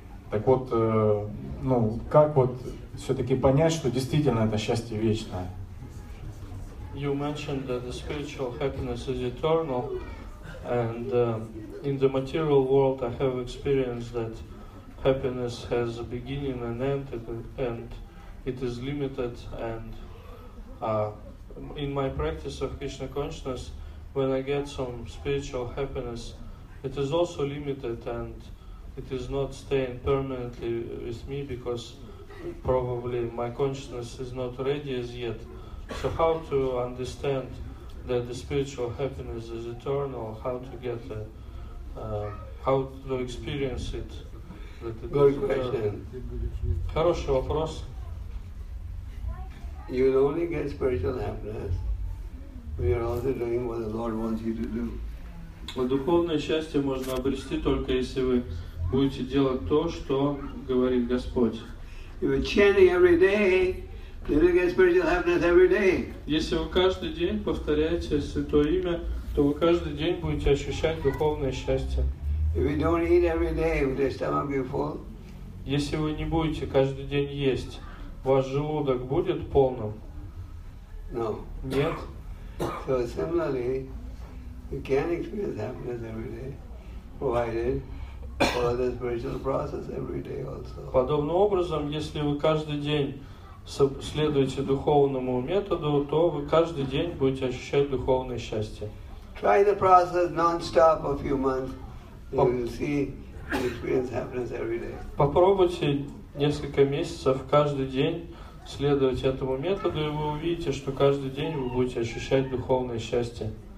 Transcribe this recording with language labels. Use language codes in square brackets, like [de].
[ru] Так вот, ну, как вот все-таки понять, что действительно это счастье вечное? [en] You mentioned that the spiritual happiness is eternal, and in the material world I have experienced that happiness has a beginning and end, and it is limited, and in my practice of Krishna consciousness, when I get some spiritual happiness, it is also limited, and it is not staying permanently with me because probably my consciousness is not ready as yet. So how to understand that the spiritual happiness is eternal? How to get a, how to experience it? Good question. [ru] Хороший вопрос. [en] You will only get spiritual happiness when you are also doing what the Lord wants you to do. [ru] Духовное счастье можно обрести только если вы будете делать то, что говорит Господь. [en] If you're chanting every day, you will get spiritual happiness every day. [ru] Если вы каждый день повторяете Святое Имя, то вы каждый день будете ощущать духовное счастье. [en] If you don't eat every day, will your stomach be full? [ru] Если вы не будете каждый день есть, ваш желудок будет полным? [en] No. [ru] Нет. [en] So similarly, you can experience happiness every day, provided follow the spiritual process every day also. [ru] Подобным образом, если вы каждый день следуете духовному методу, то вы каждый день будете ощущать духовное счастье. [en] Try the process non-stop a few months. You will see, experience happiness every day. [ru] Попробуйте несколько месяцев каждый день следовать этому методу, и вы увидите, что каждый день вы будете ощущать духовное счастье.